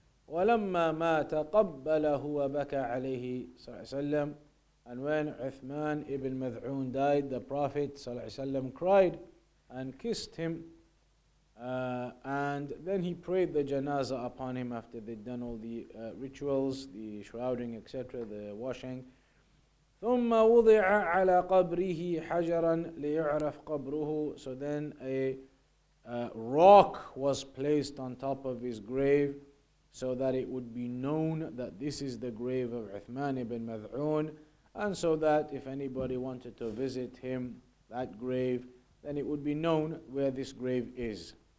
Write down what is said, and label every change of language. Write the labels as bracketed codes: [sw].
[ar] وَلَمَّا مَا تَقَبَّلَهُ وَبَكَى عَلَيْهِ ﷺ. [en] And when Uthman ibn Maz'un died, the Prophet ﷺ cried and kissed him. And then he prayed the janazah upon him after they'd done all the rituals, the shrouding, etc., the washing. [ar] ثم وضع على قبره حجرا ليعرف قبره. [en] So then a rock was placed on top of his grave so that it would be known that this is the grave of Uthman ibn Maz'un, and so that if anybody wanted to visit him, that grave, then it would be known where this grave is.